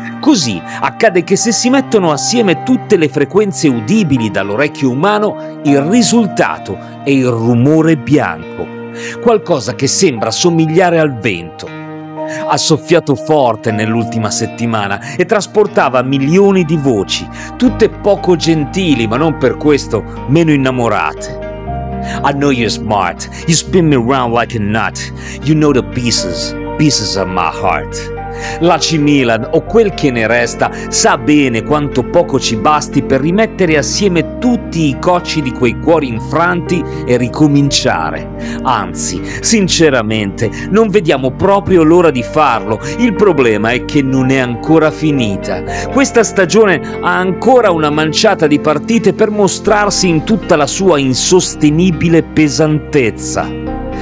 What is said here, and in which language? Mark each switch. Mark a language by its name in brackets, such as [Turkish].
[Italian] Così accade che se si mettono assieme tutte le frequenze udibili dall'orecchio umano, il risultato è il rumore bianco. Qualcosa che sembra somigliare al vento. Ha soffiato forte nell'ultima settimana e trasportava milioni di voci, tutte poco gentili, ma non per questo meno innamorate. [English] I know you're smart, you spin me round like a nut, you know the pieces, pieces of my heart. [Italian] L'AC Milan, o quel che ne resta, sa bene quanto poco ci basti per rimettere assieme tutti i cocci di quei cuori infranti e ricominciare. Anzi, sinceramente, non vediamo proprio l'ora di farlo. Il problema è che non è ancora finita. Questa stagione ha ancora una manciata di partite per mostrarsi in tutta la sua insostenibile pesantezza.